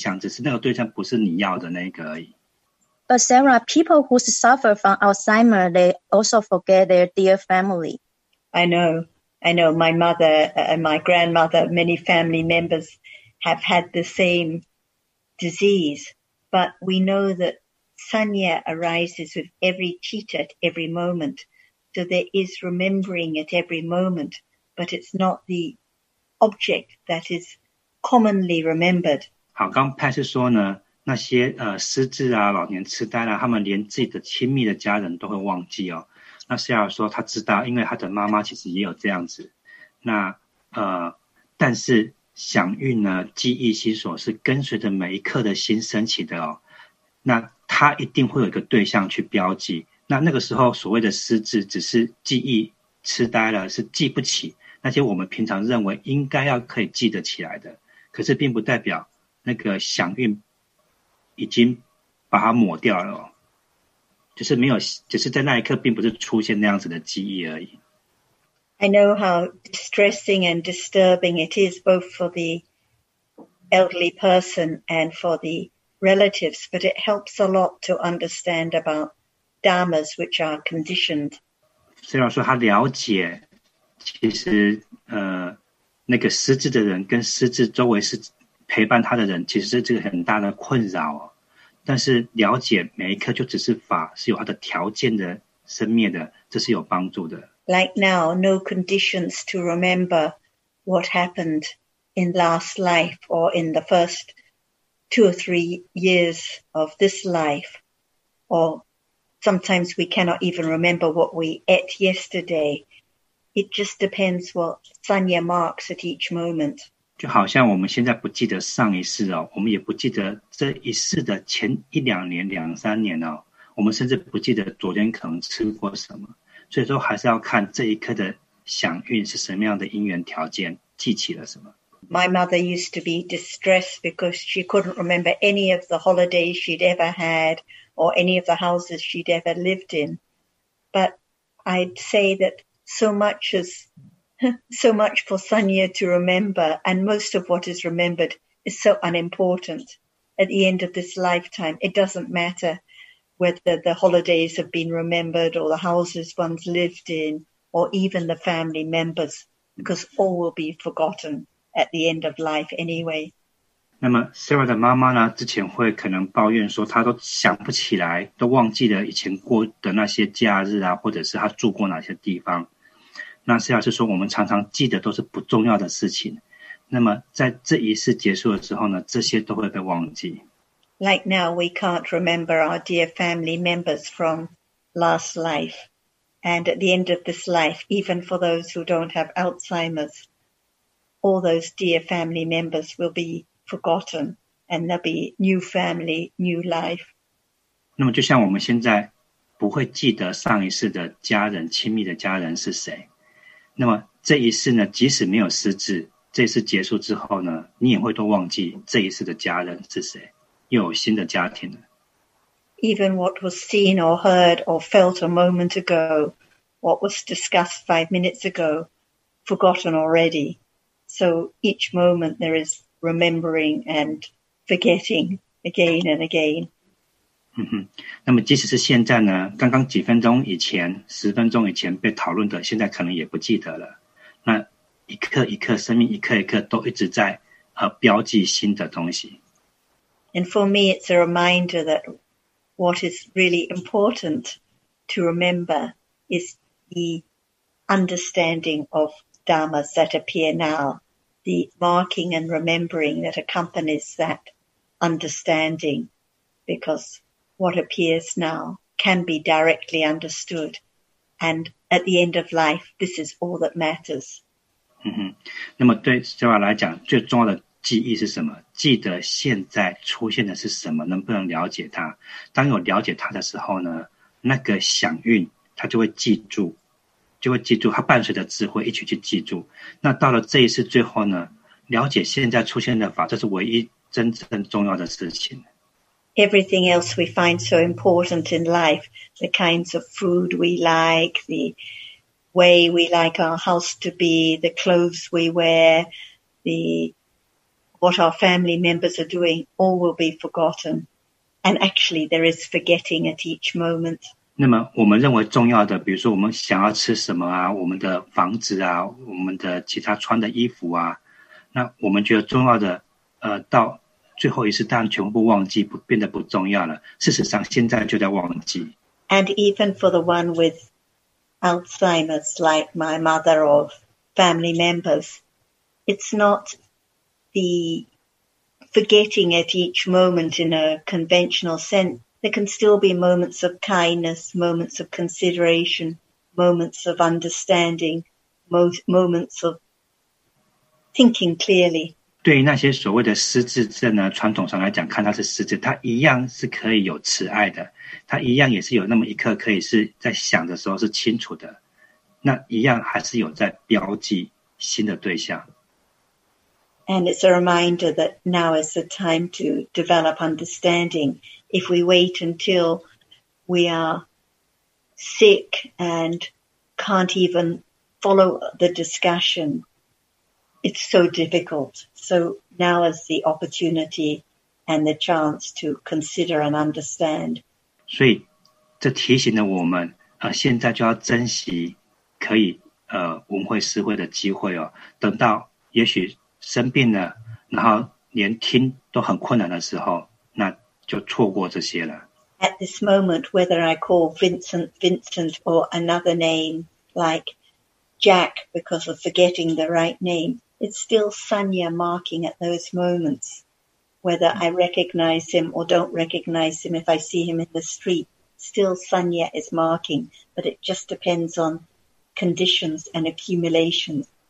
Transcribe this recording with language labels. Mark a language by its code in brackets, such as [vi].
[zh] 我们传统上会说忘了什么，事实上只是没有去记住你想要记住的，在那一刻没有升起那个你想要的。比如说，当我们说我忘了钥匙在哪里，那一刻其实还是有记忆心所在标记任何对象，只是那个对象不是你要的那个而已。 [en] But Sarah, people who suffer from Alzheimer, they also forget their dear family. I know my mother and my grandmother, many family members have had the same disease, but we know that sanya arises with every citta at every moment. So there is remembering at every moment, but it's not the object that is commonly remembered. [zh] 好，刚刚Pat说呢，那些失智啊、老年痴呆啊，他们连自己的亲密的家人都会忘记哦。那Sarah说他知道，因为他的妈妈其实也有这样子。那但是想运呢，记忆心所是跟随着每一刻的心升起的哦。那他一定会有一个对象去标记。那那个时候所谓的失智只是记忆痴呆了，是记不起那些我们平常认为应该要可以记得起来的，可是并不代表那个响应已经把它抹掉了，就是没有，只是在那一刻并不是出现那样子的记忆而已。 [en] I know how distressing and disturbing it is both for the elderly person and for the relatives, but it helps a lot to understand about dharmas which are conditioned. [zh] 虽然说他了解，其实那个失智的人跟失智周围是陪伴他的人，其实是这个很大的困扰哦。但是了解每一刻就只是法，是有它的条件的生灭的，这是有帮助的。 [en] Like now, no conditions to remember what happened in last life or in the first two or three years of this life. Or sometimes we cannot even remember what we ate yesterday. It just depends what sanya marks at each moment. [zh] 就好像我们现在不记得上一世哦，我们也不记得这一世的前一两年、两三年哦，我们甚至不记得昨天可能吃过什么。所以说还是要看这一刻的响应是什么样的因缘条件记起了什么。 [en] My mother used to be distressed because she couldn't remember any of the holidays she'd ever had or any of the houses she'd ever lived in. But I'd say that so much for Sanya to remember, and most of what is remembered is so unimportant. At the end of this lifetime, it doesn't matter whether the holidays have been remembered or the houses one's lived in or even the family members, because all will be forgotten at the end of life anyway. [zh] 那么 Sarah 的妈妈呢，之前会可能抱怨说她都想不起来，都忘记了以前过的那些假日啊，或者是她住过哪些地方。那 Sarah 是说我们常常记得都是不重要的事情，那么在这一世结束的时候呢，这些都会被忘记。 [en] Like now, we can't remember our dear family members from last life. And at the end of this life, even for those who don't have Alzheimer's, all those dear family members will be forgotten and there'll be new family, new life. [zh] 那么就像我们现在不会记得上一世的家人、亲密的家人是谁。那么这一世呢，即使没有失智，这一世结束之后呢，你也会都忘记这一世的家人是谁。有新的家庭了。 [en] Even what was seen or heard or felt a moment ago, what was discussed 5 minutes ago, forgotten already. So each moment there is remembering and forgetting again and again. [zh] 那么即使是现在呢，刚刚几分钟以前、十分钟以前被讨论的，现在可能也不记得了。那一刻一刻，生命一刻一刻都一直在标记新的东西。 [en] And for me, it's a reminder that what is really important to remember is the understanding of dharmas that appear now, the marking and remembering that accompanies that understanding, because what appears now can be directly understood. And at the end of life, this is all that matters. [zh] 那么对 Sarah 来讲，最重要的记忆是什么？记得现在出现的是什么？能不能了解它？当有了解它的时候呢，那个响应它就会记住，就会记住，它伴随着智慧一起去记住。那到了这一世最后呢，了解现在出现的法，这是唯一真正重要的事情。 [en] Everything else we find so important in life, the kinds of food we like, the way we like our house to be, the clothes we wear, the... what our family members are doing, all will be forgotten. And actually, there is forgetting at each moment. [zh] 那么我们认为重要的，比如说我们想要吃什么啊，我们的房子啊，我们的其他穿的衣服啊，那我们觉得重要的，到最后一次当然全部忘记，变得不重要了。事实上现在就在忘记。 [en] And even for the one with Alzheimer's, like my mother or family members, it's not... the forgetting at each moment in a conventional sense, there can still be moments of kindness, moments of consideration, moments of understanding, moments of thinking clearly. [zh] 对于那些所谓的失智症呢，传统上来讲，看他是失智，他一样是可以有慈爱的，他一样也是有那么一刻可以是在想的时候是清楚的，那一样还是有在标记新的对象。 [en] And it's a reminder that now is the time to develop understanding. If we wait until we are sick and can't even follow the discussion, it's so difficult. So now is the opportunity and the chance to consider and understand. [zh] 所以这提醒了我们，现在就要珍惜可以闻会思会的机会哦，等到也许生病了，然后连听都很困难的时候，那就错过这些了。 [en] At this moment, whether I call Vincent or another name like Jack because of forgetting the right name, it's still Sanya marking at those moments. Whether I recognize him or don't recognize him, if I see him in the street, still Sanya is marking, but it just depends on conditions and accumulations.